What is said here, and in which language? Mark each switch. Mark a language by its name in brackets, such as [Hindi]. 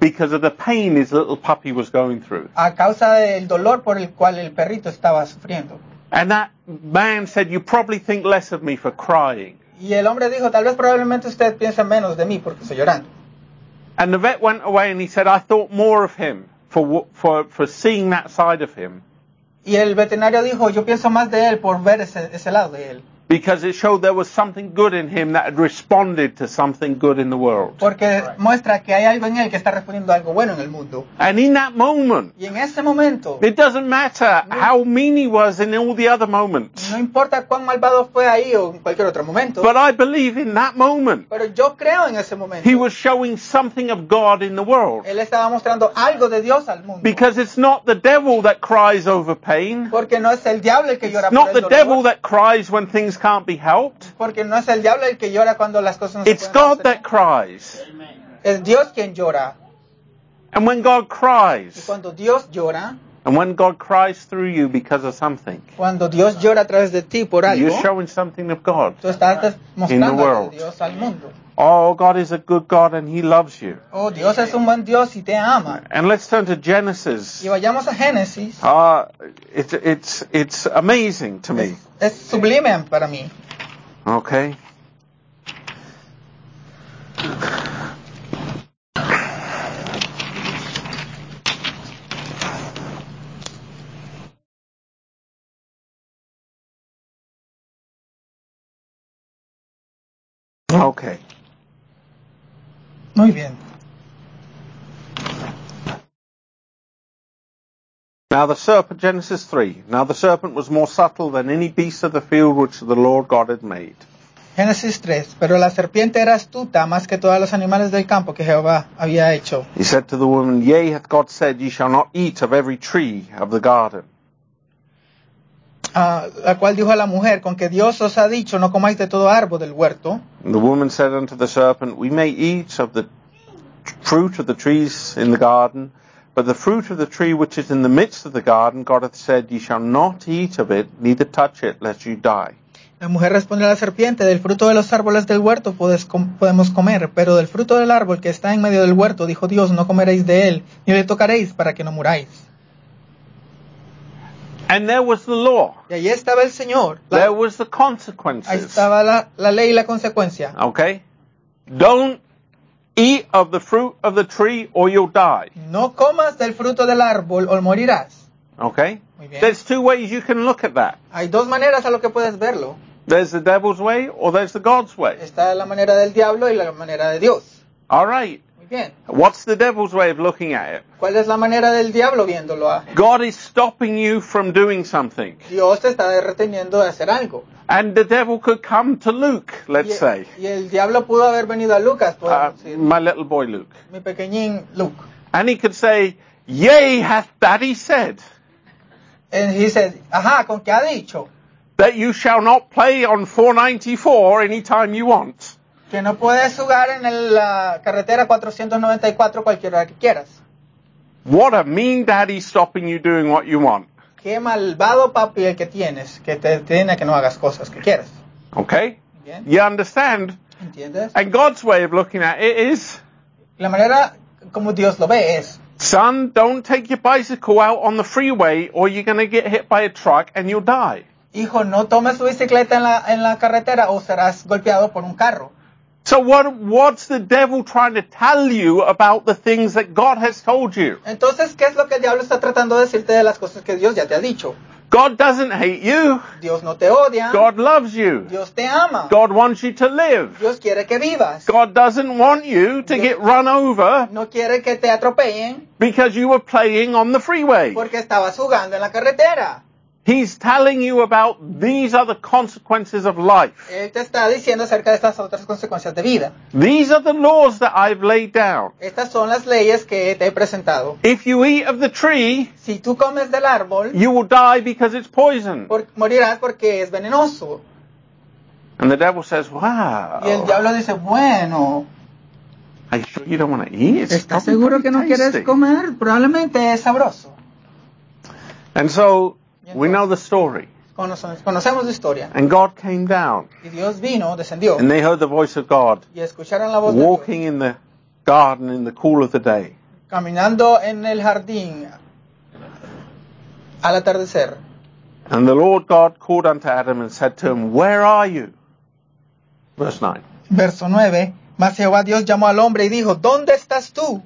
[English] Because of the pain his little puppy was going through. [Spanish] A causa del dolor por el cual el perrito estaba sufriendo. [English] And that man said, you probably think less of me for crying. [Spanish] Y el hombre dijo, tal vez probablemente usted piensa menos de mí porque estoy llorando. [English] And the vet went away and he said, I thought more of him for seeing that side of him. [Spanish] Y el veterinario dijo, yo pienso más de él por ver ese lado de él. [English] Because it showed there was something good in him that had responded to something good in the world. [Spanish] Porque muestra que hay algo en él que está respondiendo a algo bueno en el mundo. [English] And in that moment, [Spanish] y en ese momento, [English] it doesn't matter how mean he was in all the other moments. [Spanish] No importa cuán malvado fue ahí o en cualquier otro momento. [English] But I believe in that moment, [Spanish] pero yo creo en ese momento, [English] he was showing something of God in the world. [Spanish] Él estaba mostrando algo de Dios al mundo. [English] Because it's not the devil that cries over pain. [Spanish] Porque no es el diablo el que llora por el [English] dolor. Not the devil that cries when things can't be helped. [Spanish] Porque no es el diablo el que llora cuando las cosas no se pueden. [English] It's God that cries. [Spanish] Es Dios quien llora. [English] And when God cries, [Spanish] y cuando Dios llora, [English] And when God cries through you because of something, [Spanish] cuando Dios llora a través de ti por algo, [English] you're showing something of God [Spanish] tú estás mostrando [English] in the world. [Spanish] De Dios al mundo. [English] Oh, God is a good God and He loves you. [Spanish] Oh, Dios es un buen Dios y te ama. [English] And let's turn to Genesis. [Spanish] Y vayamos a Génesis. [English] It's amazing to me. [Spanish] Es sublime para mí. [English] Okay. Okay. [Spanish] Muy bien. [English] Now the serpent, Genesis 3. Now the serpent was more subtle than any beast of the field which the Lord God had made. [Spanish] Génesis 3. Pero la serpiente era astuta más que todos los animales del campo que Jehová había hecho. [English] He said to the woman, Yea, hath God said, ye shall not eat of every tree of the garden. [Spanish] La cual dijo a la mujer, con que Dios os ha dicho, no comáis de todo árbol del huerto. [English] And the woman said unto the serpent, We may eat of the fruit of the trees in the garden, but the fruit of the tree which is in the midst of the garden, God hath said, ye shall not eat of it, neither touch it, lest you die. [Spanish] La mujer respondió a la serpiente, del fruto de los árboles del huerto podemos comer, pero del fruto del árbol que está en medio del huerto, dijo Dios, no comeréis de él, ni le tocaréis para que no muráis. [English] And there was the law. [Spanish] Y ahí estaba el Señor. [English] There was the consequences. [Spanish] Ahí estaba la ley y la consecuencia. [English] Okay. Don't eat of the fruit of the tree or you'll die. [Spanish] No comas del fruto del árbol o morirás. [English] Okay. [Spanish] Muy bien. [English] There's two ways you can look at that. [Spanish] Hay dos maneras a lo que puedes verlo. [English] There's the devil's way or there's the God's way. [Spanish] Está la manera del diablo y la manera de Dios. [English] All right. [Spanish] Bien. [English] What's the devil's way of looking at it? [Spanish] ¿Cuál es la manera del diablo viéndolo? [English] God is stopping you from doing something. [Spanish] Dios te está reteniendo de hacer algo. [English] And the devil could come to Luke, let's say. [Spanish] Y el diablo pudo haber venido a Lucas, podemos decir. [English] My little boy Luke. [Spanish] Mi pequeñín Luke. [English] And he could say, Yea, hath daddy said. And he said, [Spanish] ajá, ¿con qué ha dicho? [English] That you shall not play on 494 anytime you want. [Spanish] Que no puedes jugar en la carretera 494 cualquier hora que quieras. [English] What a mean daddy stopping you doing what you want. [Spanish] Qué malvado papi el que tienes, que te detiene a que no hagas cosas que quieras. [English] Okay. [Spanish] Bien. [English] You understand? [Spanish] ¿Entiendes? [English] And God's way of looking at it is... [Spanish] La manera como Dios lo ve es... [English] Son, don't take your bicycle out on the freeway or you're going to get hit by a truck and you'll die. [Spanish] Hijo, no tomes tu bicicleta en la carretera o serás golpeado por un carro. [English] So what's the devil trying to tell you about the things that God has told you? [Spanish] Entonces, ¿qué es lo que el diablo está tratando de decirte de las cosas que Dios ya te ha dicho? [English] God doesn't hate you. [Spanish] Dios no te odia. [English] God loves you. [Spanish] Dios te ama. [English] God wants you to live. [Spanish] Dios quiere que vivas. [English] God doesn't want you to Dios get run over. [Spanish] No quiere que te atropellen. [English] Because you were playing on the freeway. [Spanish] Porque estabas jugando en la carretera. [English] He's telling you about these are the consequences of life. [Spanish] Él te está diciendo acerca de estas otras consecuencias de vida. [English] These are the laws that I've laid down. [Spanish] Estas son las leyes que te he presentado. [English] If you eat of the tree, [Spanish] si tú comes del árbol, [English] you will die because it's poison. [Spanish] Morirás porque es venenoso. [English] And the devil says, wow. [Spanish] Y el diablo dice, bueno. [English] Are you sure you don't want to eat? [Spanish] ¿estás seguro que no quieres comer? Probablemente es sabroso. [English] And so, we know the story. [Spanish] Conocemos la historia. [English] And God came down. [Spanish] Y Dios vino, descendió. [English] And they heard the voice of God. [Spanish] Y escucharon la voz de Dios. [English] Walking in the garden in the cool of the day. [Spanish] Caminando en el jardín al atardecer. [English] And the Lord God called unto Adam and said to him, Where are you? Verse 9. [Spanish] Verso 9. Mas Jehová Dios llamó al hombre y dijo, ¿Dónde estás tú?